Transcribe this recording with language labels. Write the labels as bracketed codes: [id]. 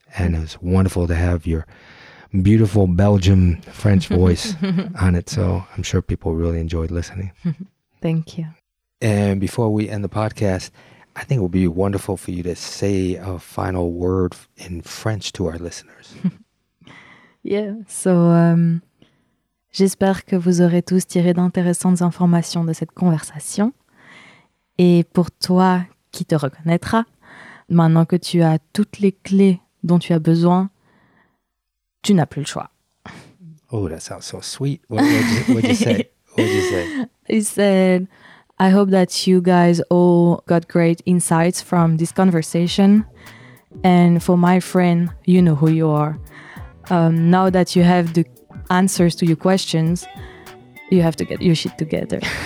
[en] And it was wonderful to have your beautiful Belgium French voice on it. So I'm sure people really enjoyed listening. Thank you. And before we end the podcast, I think it would be wonderful for you to say a final word in French to our listeners. Yeah. [fr] So j'espère que vous aurez tous tiré d'intéressantes informations de cette conversation. Et pour toi qui te reconnaîtra, maintenant que tu as toutes les clés dont tu as besoin, tu n'as plus le choix. [en] Oh, that sounds so sweet. What did you say? He said, I hope that you guys all got great insights from this conversation. And for my friend, you know who you are. Now that you have the answers to your questions, you have to get your shit together.